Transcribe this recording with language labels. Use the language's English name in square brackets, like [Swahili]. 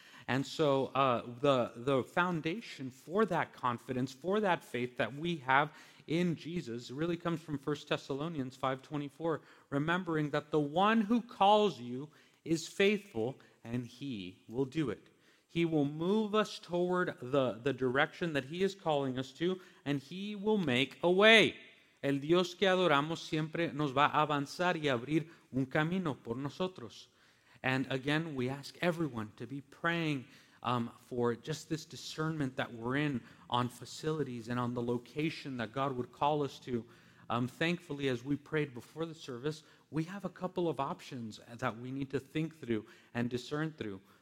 [English] And so the foundation for that confidence, for that faith that we have in Jesus really comes from 1 Thessalonians 5:24, remembering that the one who calls you is faithful and he will do it. He will move us toward the direction that he is calling us to, and he will make a way. [Spanish] El Dios que adoramos siempre nos va a avanzar y abrir un camino por nosotros. [English] And again, we ask everyone to be praying for just this discernment that we're in on facilities and on the location that God would call us to. Thankfully, as we prayed before the service, we have a couple of options that we need to think through and discern through.